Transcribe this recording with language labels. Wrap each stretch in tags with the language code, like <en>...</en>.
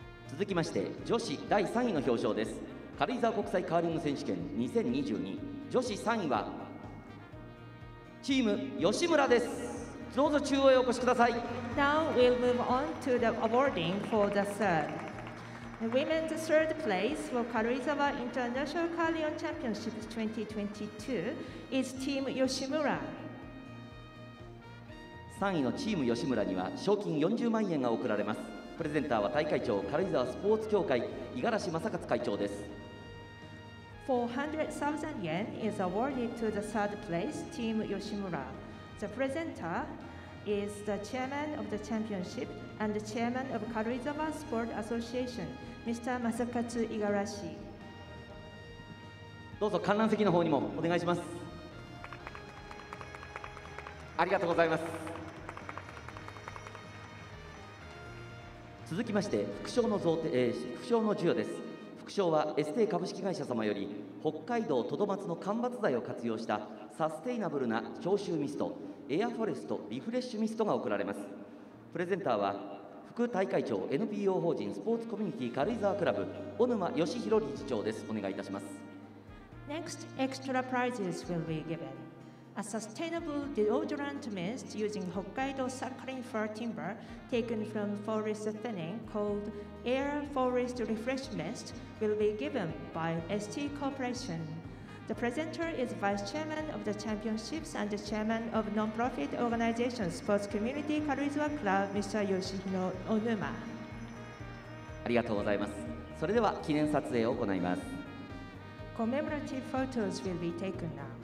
<ja>続きまして女子第3位の表彰です。軽井沢国際カーリング選手権2022、女子3位はチーム吉村です。どうぞ中央へお越しください。</ja> <en>Now we'll move on to the awarding for the third. The women's third place for 軽井沢 International Carrion Championship 2022 is team 吉村。</en> <ja>3位のチーム吉村には賞金40万円が贈られます。プレゼンターは大会長軽井沢スポーツ協会五十嵐正勝会長です。</ja> <en>400,000 yen is awarded to the third place team 吉村。 The presenter is the chairman of the championship and the chairman of 軽井沢 sport association Mr.</en> <ja>正勝五十嵐。どうぞ観覧席の方にもお願いします。ありがとうございます。続きまして副賞の贈呈、副賞の授与です。副賞はエステー株式会社様より北海道トドマツの間伐材を活用したサステイナブルな消臭ミスト、エアフォレストリフレッシュミストが贈られます。プレゼンターは副大会長 NPO 法人スポーツコミュニティ軽井沢クラブ、小沼義弘理事長です。お願いいたします。</ja> <en>Next extra prizes will be given a sustainable deodorant mist using Hokkaido succulent fir timber taken from forest thinning called Air Forest Refresh Mist will be given by ST Corporation. The presenter is Vice Chairman of the Championships and the Chairman of Non-Profit Organization Sports Community Karuizawa Club, Mr. Yoshihiro Onuma.</en> <ja>ありがとうございます。それでは記念撮影を行います。</ja> <en>Commemorative photos will be taken now.</en>